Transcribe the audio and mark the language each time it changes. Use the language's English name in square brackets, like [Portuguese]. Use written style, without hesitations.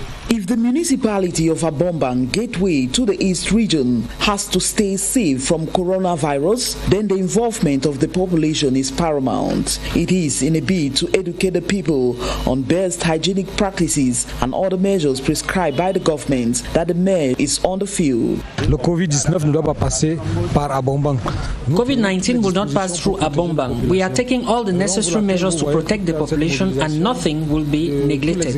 [English] If the municipality of Abombang, gateway to the East region, has to stay safe from coronavirus, then the involvement of the population is paramount. It is in a bid to educate the people on best hygienic practices and other measures prescribed by the government that the mayor is on the field. [French] Le COVID-19 ne doit pas passer par Abombang. [English] COVID-19 will not pass through Abombang. We are taking all the necessary measures to protect the population and nothing will be neglected.